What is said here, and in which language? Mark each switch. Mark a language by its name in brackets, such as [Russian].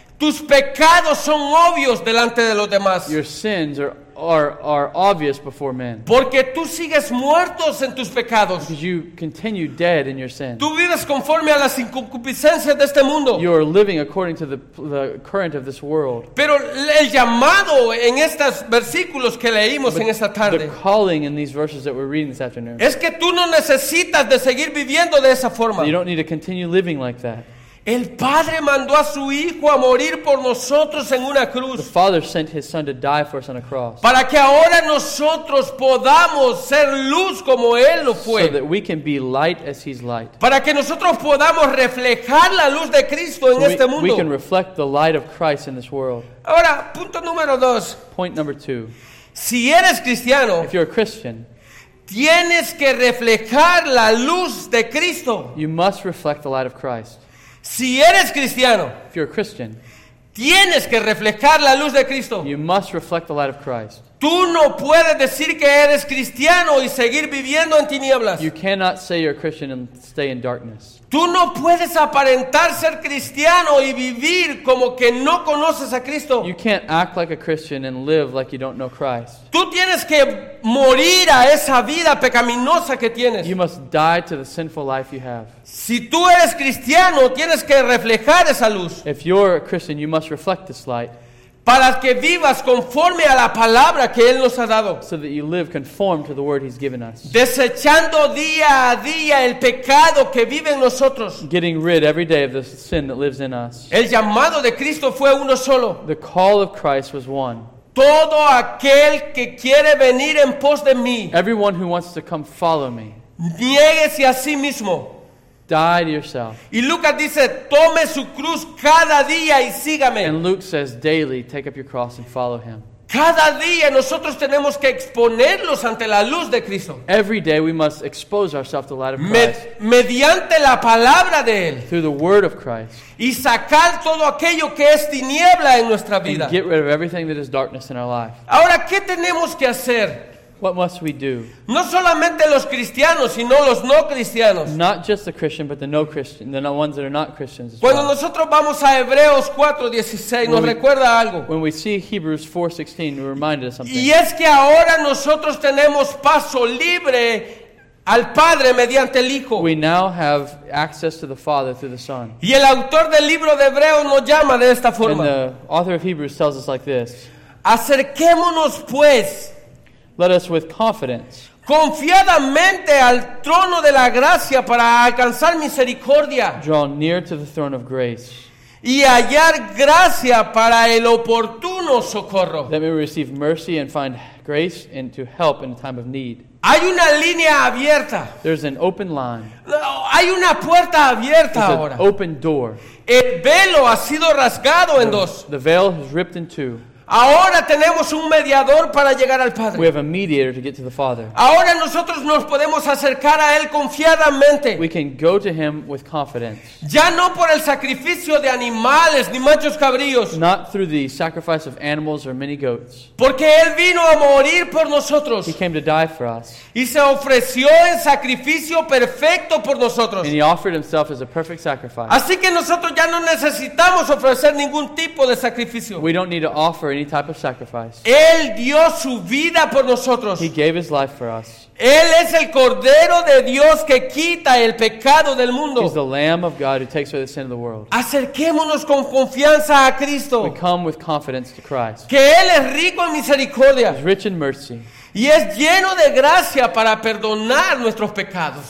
[Spanish] tus pecados son obvios delante de los demás. [English] Your sins are obvious before men. [Spanish] Porque tú sigues muertos en tus pecados. [English] Because you continue dead in your sins. [Spanish] Tú vives conforme a las concupiscencias de este mundo. [English] You are living according to the current of this world. [Spanish] Pero el llamado en estos versículos que leímos en esta tarde, [English] the calling in these verses that we're reading this afternoon, [Spanish] es que tú no necesitas de seguir viviendo de esa forma. [English] You don't need to continue living like that. [Spanish] El Padre mandó a su Hijo a morir por nosotros en una cruz. [English] The Father sent His Son to die for us on a cross. [Spanish] Para que ahora nosotros podamos ser luz como Él lo fue. [English] So that we can be light as He's light. [Spanish] Para que nosotros podamos reflejar la luz de Cristo en este mundo. [English] We can reflect the light of Christ in this world. [Spanish] Ahora, punto número dos. [English] Point number two. [Spanish] Si eres cristiano, [English] if you're a Christian, [Spanish] tienes que reflejar la luz de Cristo. [English] You must reflect the light of Christ. [Spanish] Si eres cristiano, [English] if you're a Christian, [Spanish] tienes que reflejar la luz de Cristo. [English] You must reflect the light of Christ. [Spanish] Tú no puedes decir que eres cristiano y seguir viviendo en tinieblas. [English] You cannot say you're a Christian and stay in darkness. [Spanish] Tú no puedes aparentar ser cristiano y vivir como que no conoces a Cristo. [English] You can't act like a Christian and live like you don't know Christ. [Spanish] Tú tienes que morir a esa vida pecaminosa que tienes. [English] You must die to the sinful life you have. [Spanish] Si tú eres cristiano, tienes que reflejar esa luz. [English] If you're a Christian, you must reflect this light. [Spanish] Para que vivas conforme a la palabra que Él nos ha dado. [English] So that you live conform to the word He's given us. [Spanish] Desechando día a día el pecado que vive en nosotros. [English] Getting rid every day of the sin that lives in us. [Spanish] El llamado de Cristo fue uno solo. [English] The call of Christ was one. [Spanish] Todo aquel que quiere venir en pos de mí. [English] Everyone who wants to come follow me. [Spanish] Niéguese a sí mismo. [English] Die to yourself. [Spanish] Y Lucas dice, tome su cruz cada día y sígame. [English] And Luke says, daily, take up your cross and follow him. [Spanish] Cada día nosotros tenemos que exponernos ante la luz de Cristo. [English] Every day we must expose ourselves to the light of Christ. [Spanish] Mediante la palabra de Él. [English] Through the word of Christ. [Spanish] Y sacar todo aquello que es tiniebla en nuestra vida. [English] And get rid of everything that is darkness in our life. [Spanish] Ahora, ¿qué tenemos que hacer? [English] What must we do? [Spanish] No solamente los cristianos, sino los no cristianos. [English] Not just the Christian, but the no Christian, the ones that are not Christians. [Spanish] Cuando [English] well. [Spanish] Nosotros vamos a Hebreos 4:16, nos recuerda algo. [English] When we see Hebrews 4:16, we're reminded of something. [Spanish] Y es que ahora nosotros tenemos paso libre al Padre mediante el Hijo. [English] We now have access to the Father through the Son. [Spanish] Y el autor del libro de Hebreos nos llama de esta forma. [English] And the author of Hebrews tells us like this. [Spanish] Acerquémonos pues. [English] Let us with confidence. [Spanish] Confiadamente al trono de la gracia para alcanzar misericordia. [English] Draw near to the throne of grace. [Spanish] Y hallar gracia para el oportuno socorro. [English] That we receive mercy and find grace and to help in a time of need. [Spanish] Hay una línea abierta. [English] There's an open line. [Spanish] Hay una puerta abierta [English] There's [Spanish] ahora. [English] An open door. [Spanish] El velo ha sido rasgado en dos. [English] The veil has ripped in two. [Spanish] Ahora tenemos un mediador para llegar al Padre. [English] We have a mediator to get to the Father. [Spanish] Ahora nosotros nos podemos acercar a Él confiadamente. [English] We can go to Him with confidence. [Spanish] Ya no por el sacrificio de animales ni machos cabríos. [English] Not through the sacrifice of animals or many goats. [Spanish] Porque Él vino a morir por nosotros. [English] He came to die for us. [Spanish] Y se ofreció en sacrificio perfecto por nosotros. [English] And He offered Himself as a perfect sacrifice. [Spanish] Así que nosotros ya no necesitamos ofrecer ningún tipo de sacrificio. [English] We don't need to offer any type of sacrifice. [Spanish] Él dio su vida por nosotros. [English] He gave His life for us. [Spanish] Él es el Cordero de Dios que quita el pecado del mundo. [English] He's the Lamb of God who takes away the sin of the world. [Spanish] Acerquémonos con confianza a Cristo. [English] We come with confidence to Christ. [Spanish] Que Él es rico en misericordia. [English] He's rich in mercy. [Spanish] Y es lleno de gracia para perdonar nuestros pecados.